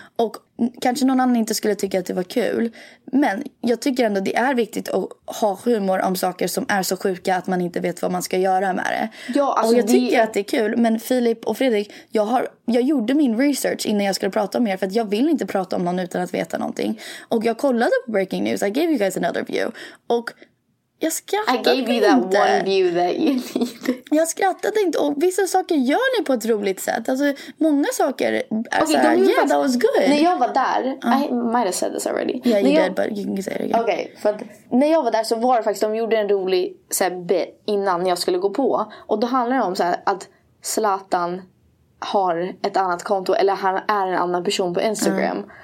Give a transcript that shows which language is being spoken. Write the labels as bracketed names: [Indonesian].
[Swedish] Och kanske någon annan inte skulle tycka att det var kul. Men jag tycker ändå att det är viktigt att ha humor om saker som är så sjuka att man inte vet vad man ska göra med det. Ja, alltså och jag tycker att det är kul. Men Filip och Fredrik, jag gjorde min research innan jag skulle prata om er. För att jag vill inte prata om någon utan att veta någonting. Och jag kollade på Breaking News. [English] I gave you guys another view. [Swedish] Och... jag skrattade [English] inte. I gave you that one view that you need. [Swedish] Jag skrattade inte. Och vissa saker gör ni på ett roligt sätt. Alltså, många saker är okay, såhär, yeah, fast, [English] that was good. [Swedish] När jag var där, [English] I might have said this already. Yeah, [Swedish] när [English] you [Swedish] jag, [English] did, but you can say it again. [Swedish] Okay, för att när jag var där så var det faktiskt, de gjorde en rolig såhär, bit innan jag skulle gå på. Och då handlar det om såhär, att Zlatan har ett annat konto, eller han är en annan person på Instagram. Mm.